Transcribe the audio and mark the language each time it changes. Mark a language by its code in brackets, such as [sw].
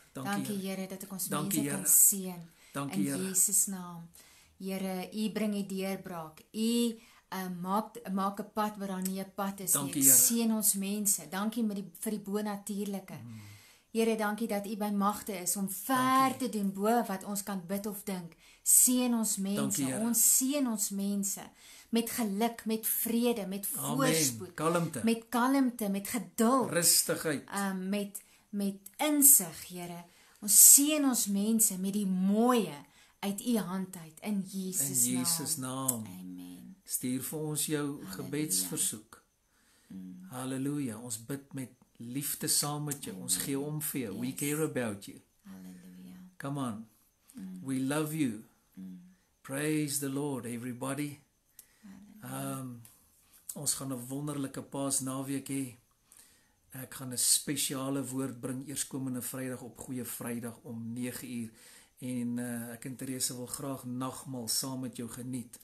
[af] Dankie Here dat ek ons mense kan seën. Dankie Here. In Jesus naam. Here, u bring die deurbraak. U maak 'n pad waar daar nie 'n pad is nie. Seën ons mense. Dankie vir die bonatuurlike. Here, dankie dat U by magte is om ver dankie. Te doen bo wat ons kan bid of dink. Seën ons mense, dankie, ons seën ons mense met geluk, met vrede, met voorspoed, kalmte. Met kalmte, met geduld, rustigheid. Met insig, Here. Ons seën ons mense met die mooie uit U hand uit in Jesus naam. In Jesus naam. Amen. Stuur vir ons jou Halleluja. Gebedsversoek. Halleluja, ons bid met liefde saam met jou, ons gee om vir jou, yes. [en] We care about you, [af] Halleluja. [en] Come on, we love you, praise the Lord everybody, [af] ons gaan 'n wonderlike paas naweek hê, ek gaan 'n spesiale woord bring, eerskomende vrydag op Goeie Vrydag om 9 uur, en ek en Theresa wil graag nagmaal saam met jou geniet,